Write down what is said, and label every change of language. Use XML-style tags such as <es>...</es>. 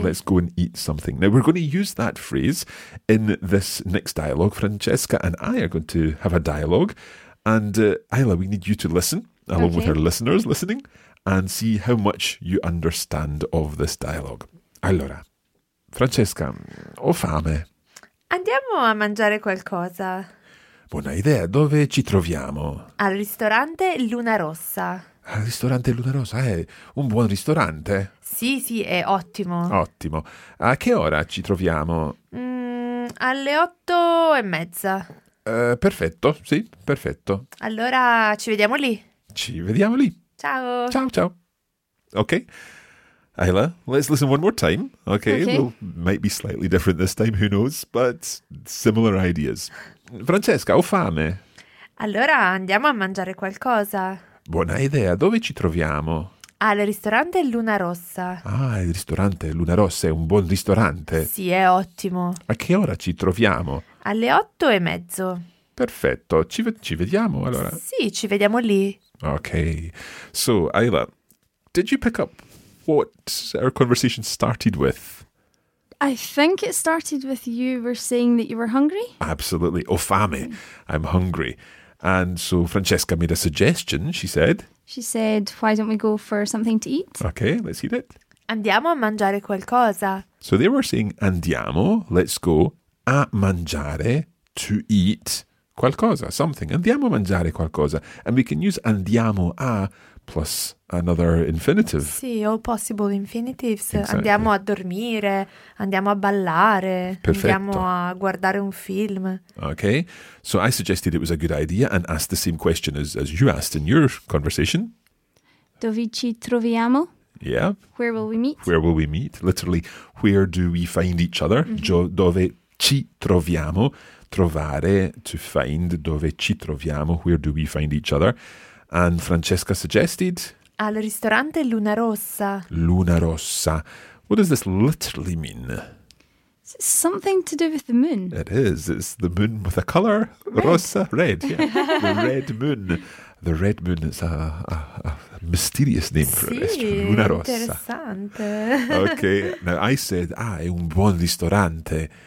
<en>Let's go and eat something. Now, we're going to use that phrase in this next dialogue. Francesca and I are going to have a dialogue. And Ayla, we need you to listen, along with our listeners listening, and see how much you understand of this dialogue.</en> <it>Allora, Francesca, ho fame. Andiamo a mangiare qualcosa. Buona idea. Dove ci troviamo? Al ristorante Luna Rossa. Al ristorante Luna Rossa? È un buon ristorante? Sì, sì, è ottimo. Ottimo. A che ora ci troviamo? Alle 8:30. Perfetto, sì, perfetto. Allora ci vediamo lì. Ci vediamo lì. Ciao. Ciao, ciao. Ok.</it> <en>Ayla, let's listen one more time, okay? Okay. Well, might be slightly different this time, who knows, but similar ideas.</en> <it>Francesca, ho fame. Allora, andiamo a mangiare qualcosa. Buona idea, dove ci troviamo? Al ristorante Luna Rossa. Ah, il ristorante Luna Rossa è un buon ristorante. Sì, è ottimo. A che ora ci troviamo? Alle 8:30. Perfetto, ci vediamo allora. Sì, ci vediamo lì.</it> <en>Okay. So, Ayla, did you pick up what our conversation started with? I think it started with you were saying that you were hungry. Absolutely.</en> <it>Ho fame.</it> <en>I'm hungry. And so Francesca made a suggestion, she said. She said, why don't we go for something to eat? Okay, let's eat it.</en> <it>Andiamo a mangiare qualcosa.</it> <en>So they were saying, andiamo, let's go, a mangiare, to eat qualcosa, something.</en> <it>Andiamo a mangiare qualcosa.</it> <en>And we can use andiamo a plus another infinitive. Sì, all possible infinitives. Exactly.</en> <it>Andiamo a dormire, andiamo a ballare, perfetto. Andiamo a guardare un film.</it> <en>Okay, so I suggested it was a good idea and asked the same question as you asked in your conversation.</en> <it>Dove ci troviamo?</it> <en>Yeah. Where will we meet? Where will we meet? Literally, where do we find each other?</en> <it>Mm-hmm. Dove ci troviamo? Trovare, to find. Dove ci troviamo?</it> <en>Where do we find each other? And Francesca suggested?</en> <it>Al ristorante Luna Rossa. Luna Rossa.</it> <en>What does this literally mean? It's something to do with the moon. It is. It's the moon with a colour. Red. Rossa. Red. Yeah. The red moon. The red moon is a mysterious name for</en> <it>sì,</it> <en>a restaurant. Luna Rossa.</en> <it>Interessante.</it> <en>Okay. Now I said,</en> <it>ah, è un buon ristorante.</it>